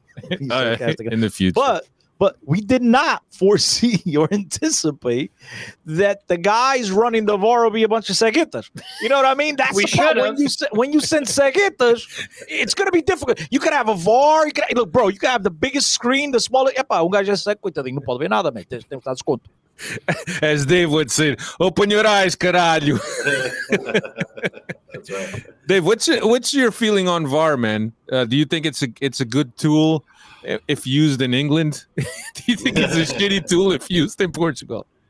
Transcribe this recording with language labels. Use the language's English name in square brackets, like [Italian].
[English] In the future. But we did not foresee or anticipate that the guys running the VAR will be a bunch of Seguetas. You know what I mean? That's we the problem. When you send Seguetas, it's going to be difficult. You could have a VAR. You could have the biggest screen, the smallest. [Portuguese] Epa, un gajo Seguetas, não pode ver nada, mas tem que dar desconto. [English] As Dave would say, open your eyes, caralho. That's right. Dave, what's your feeling on VAR, man? Do you think it's a good tool? If used in England, do you think it's a shitty tool if used in Portugal?